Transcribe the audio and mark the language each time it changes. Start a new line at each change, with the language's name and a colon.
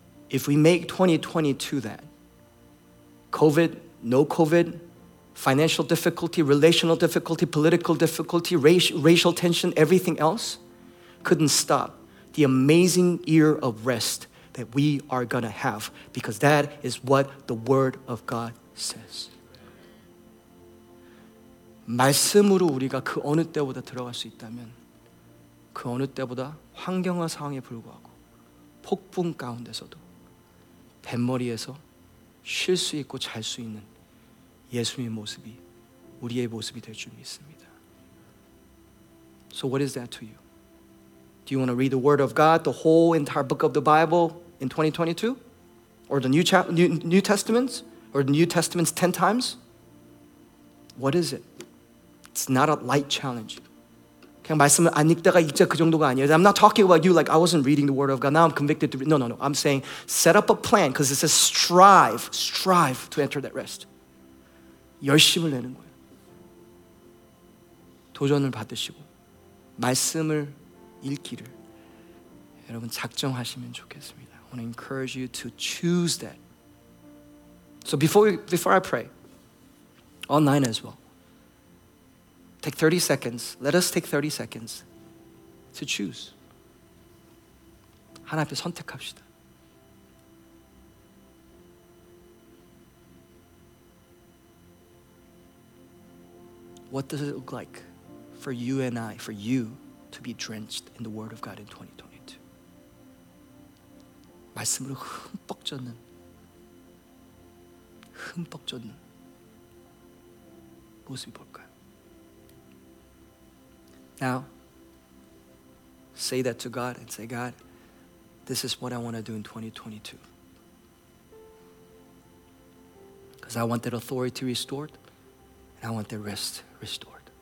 English: If we make 2022 that, COVID, no COVID, financial difficulty, relational difficulty, political difficulty, racial tension, everything else, couldn't stop the amazing year of rest that we are gonna have because that is what the word of God says.
Korean: 말씀으로 우리가 그 어느 때보다 들어갈 수 있다면 그 어느 때보다 환경과 상황에 불구하고 폭풍 가운데서도 뱃머리에서 쉴 수 있고 잘 수 있는 예수님의 모습이 우리의 모습이 될 줄 믿습니다.
English: So what is that to you? Do you want to read the word of God, the whole entire book of the Bible in 2022? Or the New Testaments? Or the New Testaments 10 times? What is it? It's not a light challenge.
Korean: 그냥 말씀을 안 읽다가 읽자 그 정도가 아니에요.
English: I'm not talking about you like I wasn't reading the word of God. Now I'm convicted to read. No, no, no. I'm saying set up a plan because it says strive, strive to enter that rest.
Korean: 열심을 내는 거예요. 도전을 받으시고 말씀을 읽기를 여러분 작정하시면 좋겠습니다.
English: I want to encourage you to choose that. So before I pray, online as well, take 30 seconds. Let us take 30 seconds to choose.
Korean: 하나 앞에 선택합시다.
English: What does it look like for you and I, for you, to be drenched in the word of God in 2022.
Korean: 말씀으로 흠뻑 젖는 모습이 볼까요?
English: Now, say that to God and say, God, this is what I want to do in 2022. Because I want that authority restored and I want that rest restored.